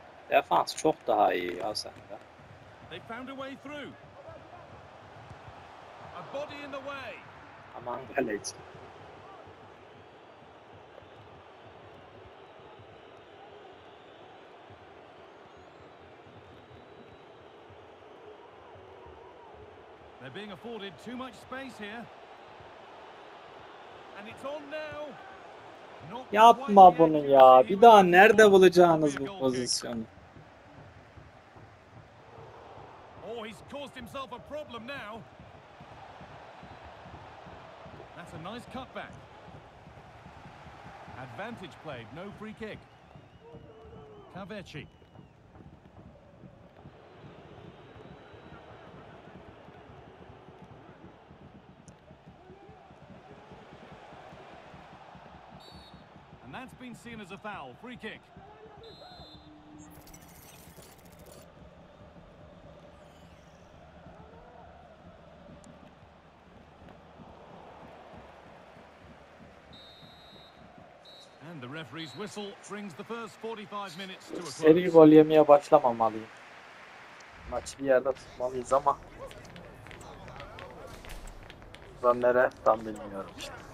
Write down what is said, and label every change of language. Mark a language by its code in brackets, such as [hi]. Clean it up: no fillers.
[tr] Defans çok daha iyi ya sende. [en] They found a way through. A body in the way. [tr] Aman kaleci. [en] They're being afforded too much space here. And it's on now. [tr] Yapma bunu ya. Bir daha nerede bulacağınız bu pozisyonu? [en] Oh, he's caused himself a problem now. That's a nice cutback. Advantage played, no free kick. Cavecci. That's been seen as a foul. Free kick. And the referee's whistle brings the first 45 minutes to a close. [tr] Seri gol yemeye başlamamalıyım. Maçı bir yerde tutmalıyız ama. Ben nereye tam bilmiyorum işte.